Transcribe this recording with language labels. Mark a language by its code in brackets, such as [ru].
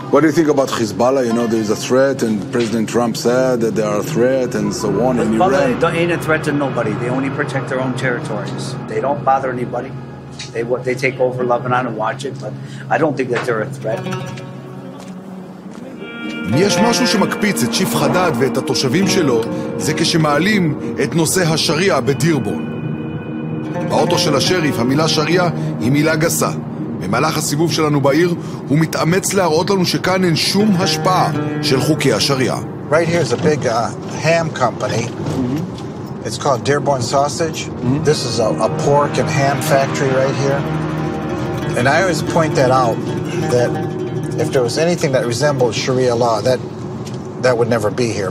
[en] What do you think about Hezbollah? You know, there's a threat, and President Trump said that they are a threat, and so on. Hezbollah ain't a threat to nobody. They only protect their own territories. They don't bother anybody. They take over Lebanon and watch it, but I don't think that they're a threat. [he] אם יש משהו שמקפיץ את צ'יף חדד ואת התושבים שלו, זה כשמעלים את נושא השריעה בדירבון. באוטו של השריף, המילה שריעה היא מילה גסה. במהלך הסיבוב שלנו בעיר, הוא מתאמץ להראות לנו שכאן אין שום השפעה של חוקי השריעה. [en] Right here is a big ham company. It's called Dearborn Sausage. Mm-hmm. This is a pork and ham factory right here. And I always point that out, that if there was anything that resembled Sharia law, that would never be here.